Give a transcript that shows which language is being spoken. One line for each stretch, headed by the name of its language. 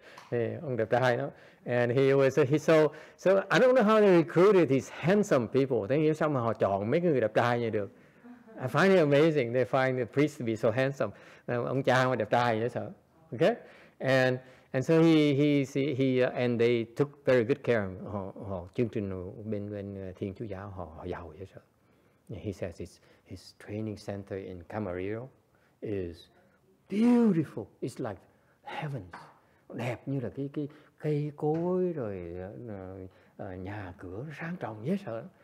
English: And he was so I don't know how they recruited these handsome people. Then somehow
Vietnamese: họ chọn mấy người đẹp trai như được.
English: I find it amazing. They find the priest to be so handsome.
Vietnamese: Ông cha mà đẹp trai vậy sao?
English: Okay. And so he and they took very good care of him.
Vietnamese: Họ chương trình bên Thiên Chúa giáo họ giàu vậy sao?
English: He says his training center in Camarillo is beautiful. It's like heavens.
Vietnamese: Đẹp như là cái cây cối rồi nhà cửa sáng trọng dễ sợ.